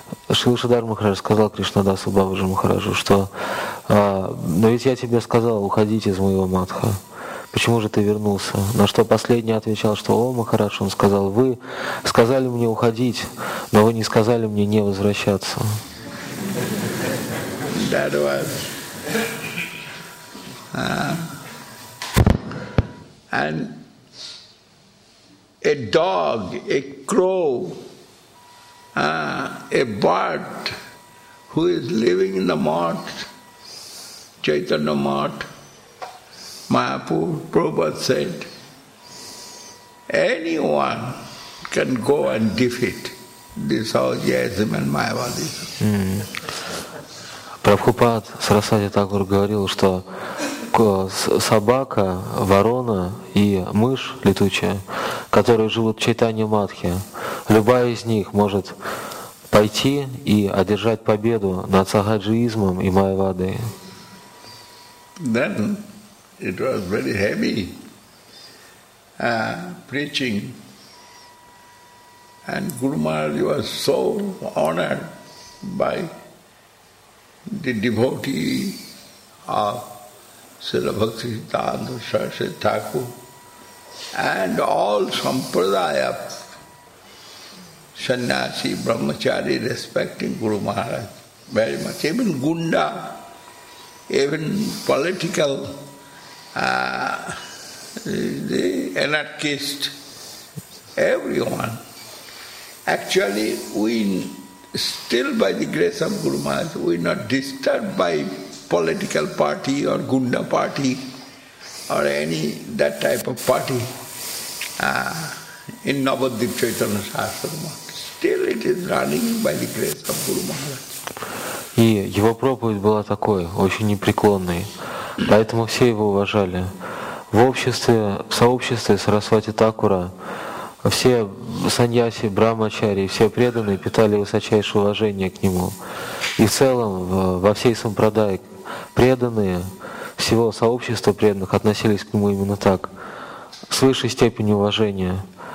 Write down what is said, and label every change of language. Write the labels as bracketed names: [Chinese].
[Russian] Шришидар Махарадж сказал Кришнадасу Бабаджи Махараджу, что «Но ведь я тебе сказал уходить из моего Мадха. Почему же ты вернулся?» На что последний отвечал, что: «О, Махарадж, он сказал, вы сказали мне уходить, но вы не сказали мне не возвращаться». [English] That was, and a dog, a crow, a bird who is living in the mart, Chaitanya mart, Mayapur, Prabhupada said, anyone can go and defeat this Aujyaism and Mayavadism. Mm. [Russian] Прабхупад Сарасвати Тхакур говорил, что собака, ворона и мышь летучая, которые живут в Чайтанья Мадхе, любая из них может пойти и одержать победу над сахаджиизмом и майявадой. [English] Then it was very heavy preaching, and Guru Maharaj was so honored by the devotee of Srila Bhakti Siddhanta Saraswati Thakur and all sampradaya of sannyasi, brahmachari respecting Guru Maharaj very much. Even gunda, even political the anarchist, everyone. Actually, still by the grace of Guru Maharaj, we are not disturbed by political party or gunda party or any that type of party in Navadvip Chaitanya Sahasrama. Still it is running by the grace of Guru Maharaj. [Russian] И его проповедь была такой, очень непреклонной, поэтому все его уважали. В сообществе Сарасвати Такура все саньяси, брамачари, все преданные питали высочайшее уважение к нему. И в целом во всей сампрадае преданные, всего сообщества преданных относились к нему именно так, с высшей степенью уважения.